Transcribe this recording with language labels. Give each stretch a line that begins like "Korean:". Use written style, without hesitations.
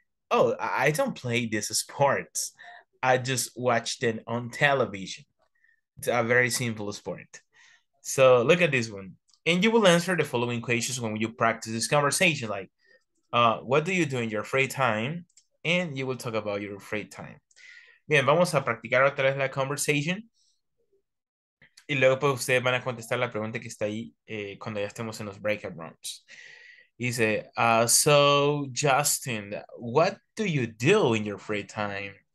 English: Oh, I don't play these sports. I just watch them on television. It's a very simple sport. So, look at this one. And you will answer the following questions when you practice this conversation, like, what do you do in your free time? And you will talk about your free time.
Spanish: Bien, vamos a practicar otra vez la conversation. Y luego pues ustedes van a contestar la pregunta que está ahí cuando ya estemos en los breakout rooms.
English: Dice, so Justin, what do you do in your free time?